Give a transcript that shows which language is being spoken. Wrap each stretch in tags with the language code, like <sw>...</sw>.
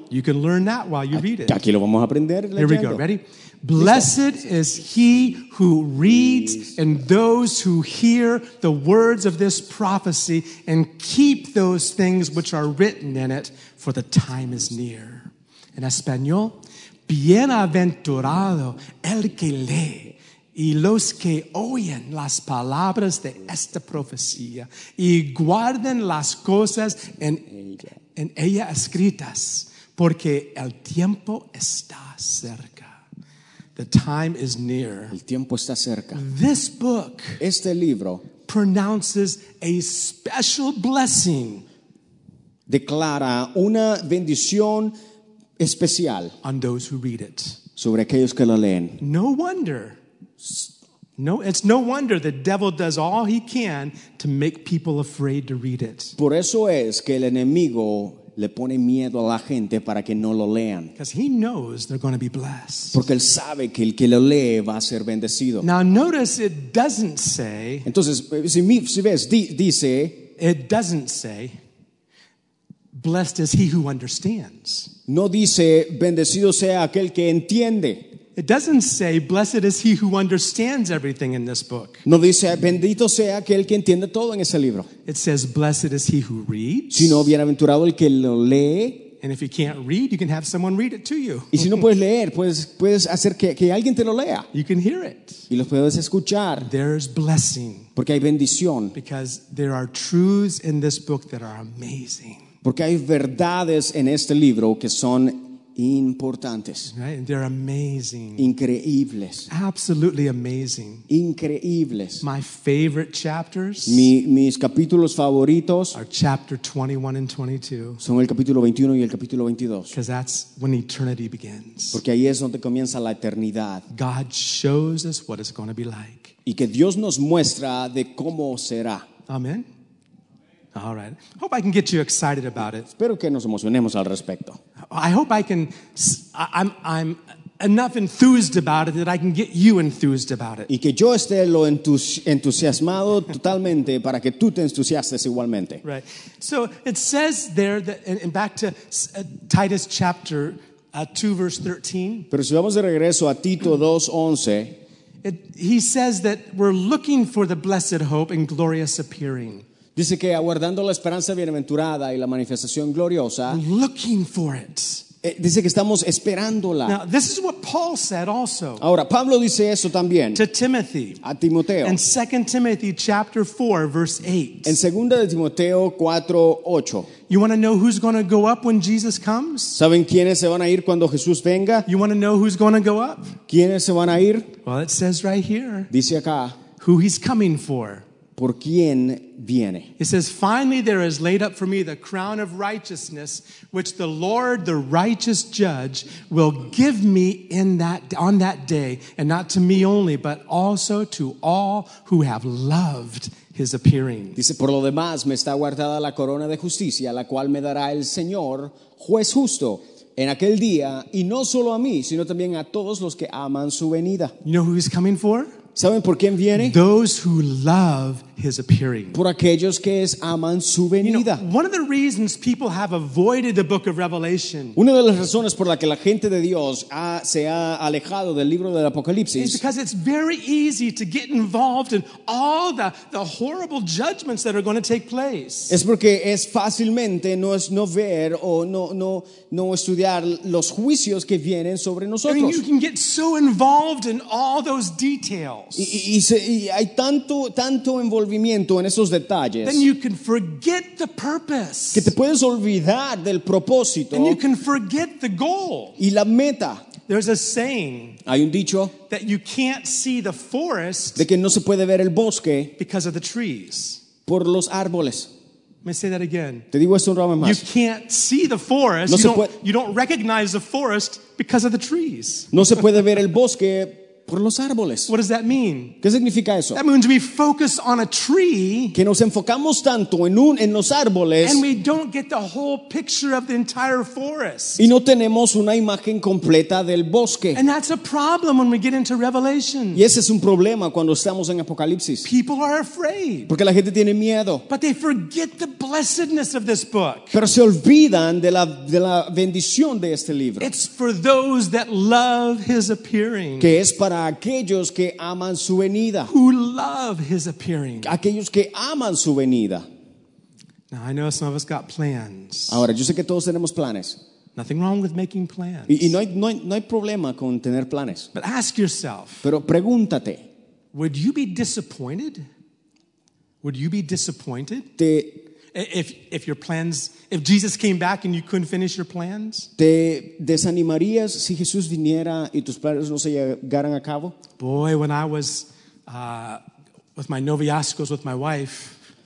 <en>you can learn that while you read it.</en> <es>Aquí lo vamos a aprender leyendo.</es> <en>Here we go. Ready? Blessed is he who reads and those who hear the words of this prophecy and keep those things which are written in it, for the time is near.</en> <es>En español. Bienaventurado el que lee y los que oyen las palabras de esta profecía y guarden las cosas en ella escritas, porque el tiempo está cerca.</es> <en>The time is near.</en> <es>El tiempo está cerca.</es> <en>This book,</en> <es>este libro,</es> <en>pronounces a special blessing.</en> <es>Declara una bendición especial</es> <en>on those who read it.</en> <es>Sobre aquellos que lo leen.</es> <en>No wonder. No, it's no wonder the devil does all he can to make people afraid to read it.</en> <es>Por eso es que el enemigo le pone miedo a la gente para que no lo lean.</es> <en>Because he knows they're going to be blessed.</en> <es>Porque él sabe que el que lo lee va a ser bendecido.</es> <en>Now notice it doesn't say.</en> <es>Entonces, si ves, dice.</es> <en>It doesn't say. Blessed is he who understands.</en> <es>No dice, bendecido sea aquel que entiende.</es> <en>It doesn't say, blessed is he who understands everything in this book.</en> <es>No dice, bendito sea aquel que entiende todo en ese libro.</es> <en>It says, blessed is he who reads.</en> <es>Sino, bienaventurado el que lo lee.</es> <en>And if you can't read, you can have someone read it to you.</en> <es>Y si no puedes leer, puedes hacer que alguien te lo lea.</es> <en>You can hear it.</en> <es>Y lo puedes escuchar.</es> <en>There's blessing.</en> <es>Porque hay bendición.</es> <en>Because there are truths in this book that are amazing.</en> <es>Porque hay verdades en este libro que son importantes.</es> <en>Right? They're amazing.</en> <es>Increíbles.</es> <en>Absolutely amazing.</en> <es>Increíbles.</es> <en>My favorite chapters.</en> <es>Mis capítulos favoritos.</es> <en>Are chapter 21 and 22.</en> <es>Son el capítulo 21 y el capítulo 22.</es> <en>Because that's when eternity begins.</en> <es>Porque ahí es donde comienza la eternidad.</es> <en>God shows us what it's going to be like.</en> <es>Y que Dios nos muestra de cómo será.</es> <en>Amen. All right. Hope I can get you excited about it.</en> <es>Espero que nos emocionemos al respecto.</es> <en>I hope I can. I'm enough enthused about it that I can get you enthused about it.</en> <es>Y que yo esté lo entusiasmado totalmente para que tú te entusiastes igualmente.</es> <en>Right. So it says there that, and back to Titus chapter 2 verse 13.</en> <es>Pero si vamos de regreso a Tito 2:11.</es> <en>He says that we're looking for the blessed hope and glorious appearing.</en> <es>Dice que aguardando la esperanza bienaventurada y la manifestación gloriosa.</es> <en>Looking for it.</en> <es>Dice que estamos esperándola.</es> <en>Now, this is what Paul said also.</en> <es>Ahora, Pablo dice eso también.</es> <en>To Timothy.</en> <es>A Timoteo.</es> <en>In 2 Timothy chapter 4, verse 8.</en> <es>En 2 de Timoteo 4, 8.</es> <en>You want to know who's going to go up when Jesus comes?</en> <es>¿Saben quiénes se van a ir cuando Jesús venga?</es> <en>You want to know who's going to go up?</en> <es>¿Quiénes se van a ir?</es> <en>Well, it says right here.</en> <es>Dice acá.</es> <en>Who he's coming for.</en> <es>¿Por quién viene?</es> <en>It says, finally there is laid up for me the crown of righteousness, which the Lord, the righteous judge, will give me on that day, and not to me only, but also to all who have loved his appearing.</en> <es>Dice, por lo demás me está guardada la corona de justicia, la cual me dará el Señor, juez justo, en aquel día, y no solo a mí, sino también a todos los que aman su venida.</es> <en>You know who he's coming for?</en> <es>¿Saben por quién viene?</es> <en>Those who love his appearing.</en> <es>Por aquellos que aman su venida.</es> <en>You know, one of the reasons people have avoided the book of Revelation.</en> <es>Una de las razones por la que la gente de Dios se ha alejado del libro del Apocalipsis.</es> <en>Is because it's very easy to get involved in all the horrible judgments that are going to take place.</en> <es>Es porque es fácilmente no estudiar los juicios que vienen sobre nosotros.</es> <en>I mean, you can get so involved in all those details.</en> <es>Y hay tanto envolvimiento en esos detalles.</es> <en>Then you can forget the purpose.</en> <es>Que te puedes olvidar del propósito.</es> <en>And you can forget the goal.</en> <es>Y la meta.</es> <en>There's a saying.</en> <es>Hay un dicho.</es> <en>That you can't see the forest.</en> <es>De que no se puede ver el bosque.</es> <en>Because of the trees.</en> <es>Por los árboles.</es> <en>Let me say that again.</en> <es>Te digo esto un rato más.</es> <en>You can't see the forest.</en> <es>No</es> <en>you, don't recognize the forest because of the trees.</en> <es>No se puede ver el bosque por los árboles.</es> <en>What does that mean?</en> <es>¿Qué significa eso?</es> <en>That means we focus on a tree.</en> <es>Que nos enfocamos tanto en los árboles.</es> <en>And we don't get the whole picture of the entire forest.</en> <es>Y no tenemos una imagen completa del bosque.</es> <en>And that's a problem when we get into Revelation.</en> <es>Y ese es un problema cuando estamos en Apocalipsis.</es> <en>People are afraid.</en> <es>Porque la gente tiene miedo.</es> <en>But they forget the blessedness of this book.</en> <es>Pero se olvidan de la bendición de este libro.</es> <en>It's for those that love his appearing.</en> <es>Que es para aquellos que aman su venida.</es> <en>Who love his appearing.</en> <es>Aquellos que aman su venida.</es> <en>Now, I know some of us got plans.</en> <es>Ahora, yo sé que todos tenemos planes.</es> <en>Nothing wrong with making plans.</en> <es>Y no hay problema con tener planes.</es> <en>But ask yourself.</en> <es>Pero pregúntate.</es> <en>Would you be disappointed? Would you be disappointed? If Jesus came back and you couldn't finish your plans?</en> <es>¿Te desanimarías si Jesús viniera y tus planes no se llegaran a cabo?</es> <en>Boy, when I was with my noviazgos with my wife,</en>